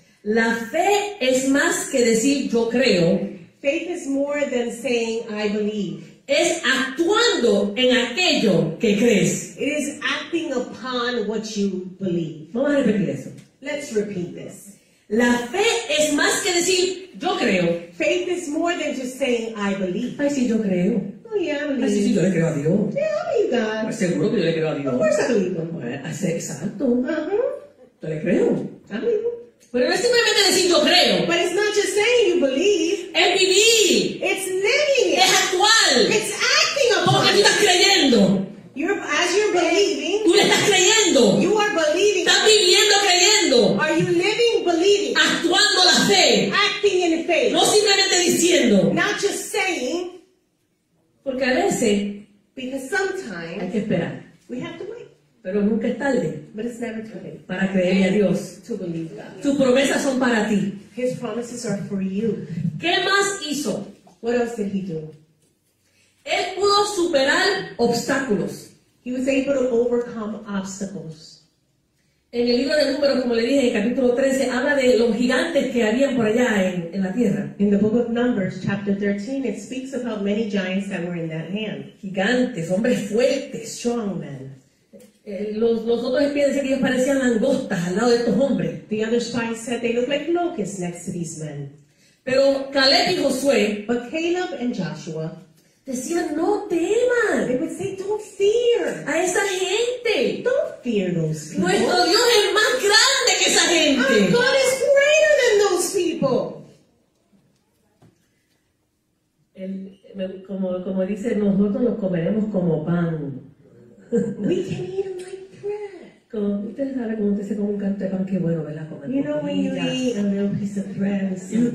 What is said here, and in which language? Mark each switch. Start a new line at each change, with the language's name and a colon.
Spanish: La fe es más que decir yo creo.
English: Faith is more than saying I believe.
Spanish: Es actuando en aquello que crees.
English: It is acting upon what you believe.
Spanish: Vamos a repetir eso.
English: Let's repeat this.
Spanish: La fe es más que decir, yo creo.
English: Faith is more than just saying, I believe.
Spanish: Ay, sí, yo creo.
English: Oh, yeah, I believe.
Spanish: Ay, sí, sí, yo le creo a Dios.
English: Yeah, I believe God.
Spanish: Seguro que yo le creo a Dios.
English: Of course I believe.
Spanish: Exacto. Uh-huh. Yo le creo.
English: I believe.
Spanish: Pero no es simplemente decir yo creo.
English: But it's not just saying you believe.
Spanish: Es vivir.
English: It's living it.
Spanish: Es actual.
English: It's acting upon.
Spanish: Porque tú estás creyendo.
English: As you're believing.
Spanish: Tú le estás creyendo.
English: You are believing.
Spanish: Estás viviendo creyendo.
English: Are you living believing?
Spanish: Actuando la fe.
English: Acting in faith.
Spanish: No simplemente diciendo.
English: Not just saying.
Spanish: Porque a veces.
English: Because sometimes.
Spanish: Hay que esperar.
English: We have to wait.
Spanish: Pero nunca es tarde.
English: But it's never too late.
Spanish: Para creer a Dios.
English: To believe God.
Spanish: Tus promesas son para ti.
English: His promises are for you.
Spanish: ¿Qué más hizo?
English: What else did he do?
Spanish: Él pudo superar obstáculos.
English: He was able to overcome obstacles.
Spanish: En el libro de Números, como le dije, en el capítulo 13, habla de los gigantes que habían por allá en la tierra.
English: In the book of Numbers, chapter 13, it speaks of how many giants that were in that land.
Spanish: Gigantes, hombres fuertes.
English: Strong men.
Spanish: Los otros espías decían que ellos parecían langostas al lado de estos hombres.
English: The other spies said they look like locusts next to these men.
Spanish: Pero Caleb y Josué,
English: but Caleb and Joshua,
Spanish: decían no teman.
English: They would say don't fear.
Spanish: A esa gente.
English: Don't fear those people.
Spanish: Nuestro Dios es más grande que esa gente.
English: Our God is greater than those people.
Spanish: Como dice, nosotros los comeremos como pan.
English: We can eat them like bread.
Spanish: Ustedes saben cómo usted se come un canto de pan, qué bueno, ¿verdad? Con
English: el you pan, know, when you eat a little piece of bread and some